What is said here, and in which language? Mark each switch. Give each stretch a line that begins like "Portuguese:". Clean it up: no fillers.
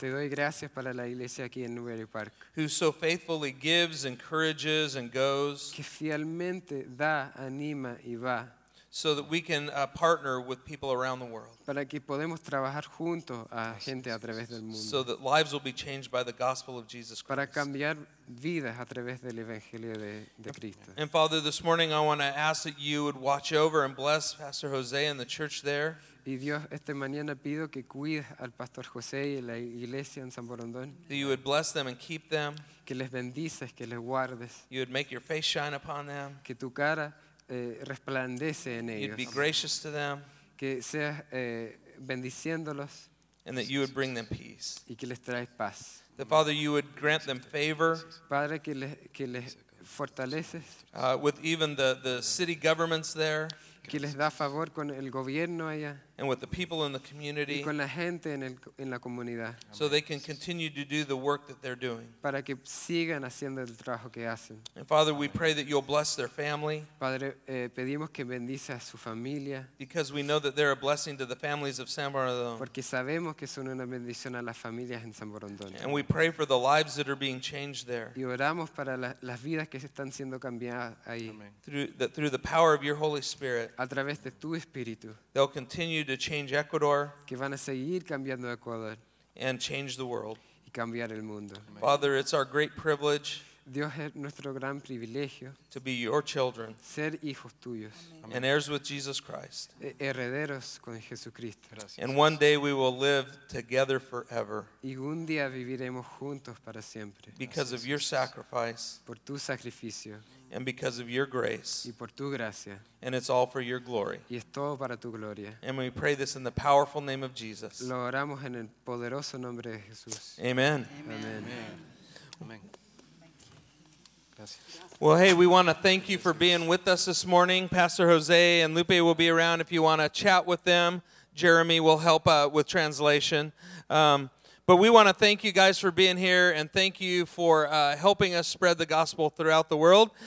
Spanish: Te doy gracias para la iglesia aquí en Newbury Park.
English: Who so faithfully gives, encourages, and goes.
Spanish: Que fielmente da, anima y va.
English: So that we can partner with people around the world.
Spanish: Para que podemos trabajar junto a gente a través del mundo.
English: So that lives will be changed by the gospel of Jesus Christ.
Spanish: Para cambiar vidas a través del evangelio de Cristo.
English: And Father, this morning I want to ask that you would watch over and bless Pastor Jose and the church there.
Spanish: Y Dios, esta mañana pido que cuides al Pastor José y la iglesia en San Borondón.
English: That you would bless them and keep them.
Spanish: Que les bendices, que les guardes.
English: You would make your face shine upon them.
Spanish: Que tu cara resplandece en ellos.
English: You'd be gracious to them.
Spanish: Que seas bendiciéndolos.
English: And that you would bring them peace.
Spanish: Y que les traes paz.
English: The Father, you would grant them favor.
Spanish: Padre, que les fortaleces.
English: With even the city governments there.
Spanish: Que les da favor con el gobierno allá.
English: And with the people in the community.
Spanish: Y con la gente en la comunidad.
English: So they can continue to do the work that they're doing.
Spanish: Para que sigan haciendo el trabajo que hacen.
English: And Father, we pray that you'll bless their family.
Spanish: Padre, pedimos que bendice a su familia.
English: Because we know that they're a blessing to the families of San Borondón.
Spanish: Porque sabemos que son una bendición a las familias en San Borondón.
English: And we pray for the lives that are being changed there.
Spanish: Y oramos para las vidas que se están siendo cambiadas ahí.
English: Through the power of your Holy Spirit.
Spanish: A través de tu espíritu.
English: They'll continue to change Ecuador,
Spanish: que van a seguir cambiando Ecuador,
English: and change the world.
Spanish: Y cambiar el mundo.
English: Father, it's our great privilege.
Spanish: Dios es nuestro gran privilegio.
English: To be your children.
Spanish: Ser hijos tuyos.
English: Amen. And heirs with Jesus Christ.
Spanish: Herederos con Jesucristo.
English: And one day we will live together forever.
Spanish: Y un día viviremos juntos para siempre.
English: Because of your sacrifice.
Spanish: Por tu sacrificio.
English: And because of your grace.
Spanish: Y por tu gracia.
English: And it's all for your glory.
Spanish: Y es todo para tu gloria.
English: And we pray this in the powerful name of Jesus.
Spanish: Lo oramos en el poderoso nombre de Jesús.
English: Amen. Amen. Amen. Well, hey, we want to thank you for being with us this morning. Pastor Jose and Lupe will be around if you want to chat with them. Jeremy will help with translation. But we want to thank you guys for being here, and thank you for helping us spread the gospel throughout the world.